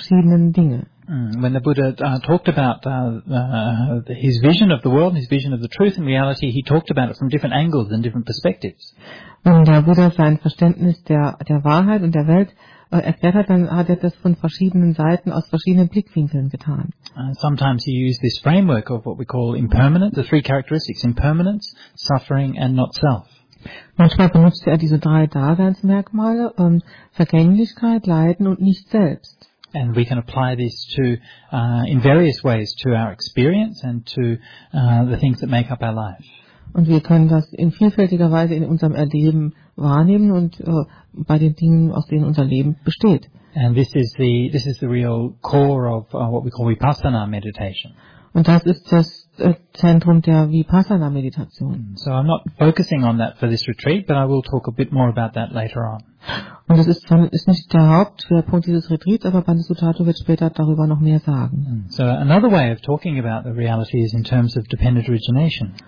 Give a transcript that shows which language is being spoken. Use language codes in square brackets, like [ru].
[en] When the Buddha talked about his vision of the world, his vision of the truth and reality, he talked about it from different angles and different perspectives. [de] Wenn der Buddha sein Verständnis der Wahrheit und der Welt erklärt hat, dann hat das von verschiedenen Seiten aus verschiedenen Blickwinkeln getan. [en] Sometimes he used this framework of what we call impermanence, the three characteristics, impermanence, suffering and not self. [de] Manchmal benutzte er diese drei Daseinsmerkmale, Vergänglichkeit, Leiden und nicht selbst. [en] And we can apply this to in various ways to our experience and to the things that make up our life. [de] Und wir können das in vielfältiger Weise in unserem Erleben wahrnehmen und bei den Dingen, aus denen unser Leben besteht. [en] And this is the real core of what we call Vipassana meditation. [de] Und das ist das Zentrum der Vipassana Meditation. [en] So I'm not focusing on that for this retreat, but I will talk a bit more about that later on. [de] Und das ist nicht der Hauptpunkt dieses Retreats, aber Bandhisattva wird später darüber noch mehr sagen. [en] So another way of talking about the reality is in terms of dependent origination.